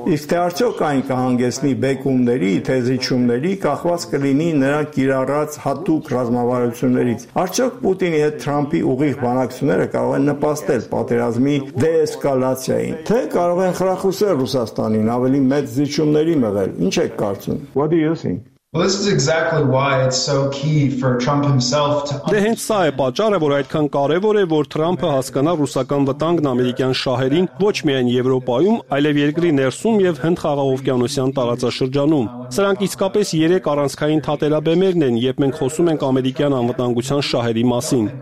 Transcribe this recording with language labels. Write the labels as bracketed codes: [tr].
[hy] իսկ թե արդյոք այն կհանգեցնի բեկումների, թեզիչումների, կախված կլինի նրա կիրառած հատուկ ռազմավարություններից։ Արդյոք Պուտինի հետ Թրամփի ուղիղ բանակցությունները կարող են նպաստել պատերազմի դեեսկալացիային, թե կարող են խրախուսել Ռուսաստանին ավելի մեծ զիջումների մղել։ Ինչ եք կարծում։ [en] What do you think? Well, this is exactly why it's so key for Trump himself to understand. [hy] Դե հենց սա է պատճառը, որ այդքան կարևոր է, որ Թրամփը հասկանա ռուսական վտանգն ամերիկյան շահերին ոչ միայն Եվրոպայում, այլև երկրի ներսում և Հնդ խաղաղօվկիանոսյան տարածաշրջանում։ Սրանք իսկապես երեք առանցքային թատերաբեմերն են, երբ մենք խոսում ենք ամերիկյան անվտանգության շահերի մասին։